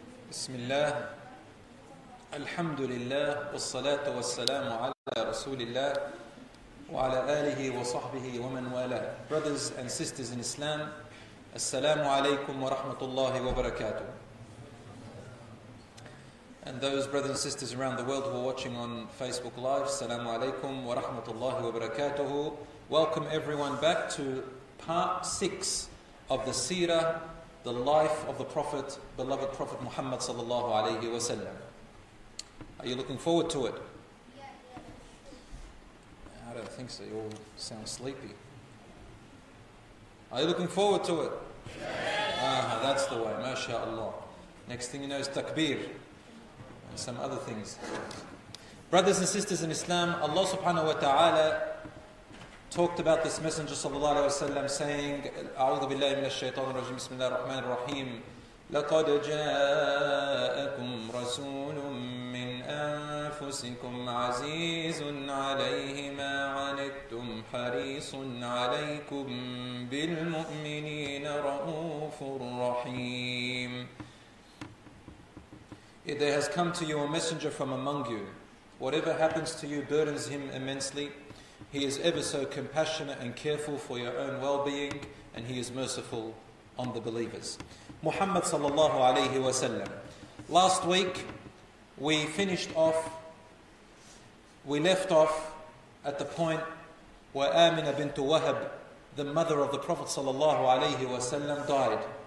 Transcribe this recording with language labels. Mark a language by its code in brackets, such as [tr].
[ar] بسم الله الحمد لله والصلاة والسلام على رسول الله وعلى آله وصحبه ومن والاه. [en] Brothers and sisters in Islam, [ar] السلام عليكم ورحمة الله وبركاته. [en] And those brothers and sisters around the world who are watching on Facebook Live, [ar] السلام عليكم ورحمة الله وبركاته. [en] Welcome everyone back to part 6 of the Seerah, the life of the Prophet, beloved Prophet Muhammad sallallahu alayhi wa sallam. Are you looking forward to it? Yeah. I don't think so, you all sound sleepy. Are you looking forward to it? Yeah. That's the way, mashallah. Next thing you know is takbir and some other things. Brothers and sisters in Islam, Allah subhanahu wa ta'ala talked about this Messenger sallallahu alayhi wa sallam saying, [ar] أعوذ بالله من الشيطان الرجيم بسم الله الرحمن الرحيم لقد جاءكم رسول من أنفسكم عزيز عليه ما عنتم حريص عليكم بالمؤمنين رؤوف رحيم. [en] There has come to you a messenger from among you. Whatever happens to you burdens him immensely. He is ever so compassionate and careful for your own well-being, and he is merciful on the believers. Muhammad sallallahu alayhi wa sallam. Last week, we left off at the point where Amina bint Wahab, the mother of the Prophet sallallahu alayhi wa sallam, died.